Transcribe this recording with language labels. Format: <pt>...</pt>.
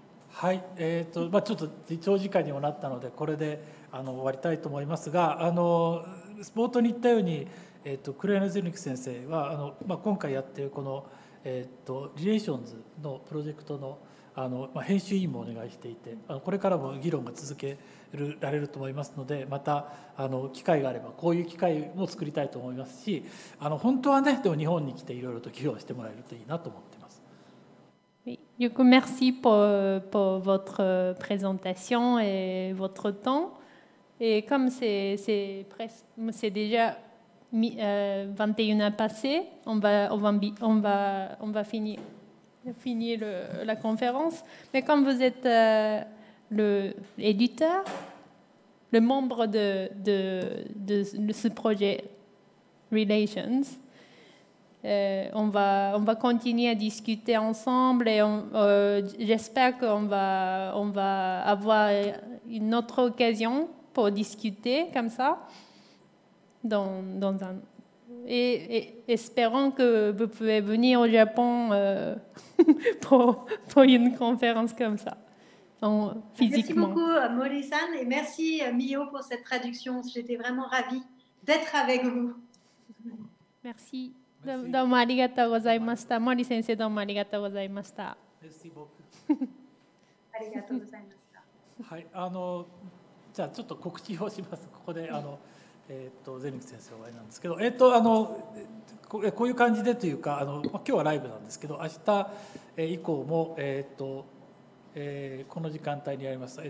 <ja>はい、まあ、ちょっと長時間にもなったのでこれで終わりたいと思いますが、冒頭に言ったように、クレーネゼルニク先生は今回やっているこの、リレーションズのプロジェクトの編集委員もお願いしていて、これからも議論が続けられると思いますので、また機会があればこういう機会も作りたいと思いますし、本当はね、でも日本に来ていろいろと議論してもらえるといいなと思っています。よく</ja> <fr>merci pour votre présentation et votre temps, et comme c'est déjà 21 ans passé, on va finir la conférence. Mais comme vous êtes l'éditeur, le membre de ce projet Relations, on va continuer à discuter ensemble et j'espère qu'on va avoir une autre occasion pour discuter comme ça dans un... et espérant que vous pouvez venir au Japon pour une conférence comme ça. Donc, physiquement. Merci beaucoup Molly-san et merci Mio pour cette traduction. J'étais vraiment ravie d'être avec vous. Merci.</fr> <ja>どうもありがとうございました。森先生どうもありがとうございました。ありがとうございました。はい、じゃあちょっと告知をします。ここでゼミク先生お会いなんですけど、こういう感じでというか今日はライブなんですけど、明日以降もこの時間帯にやります。</ja>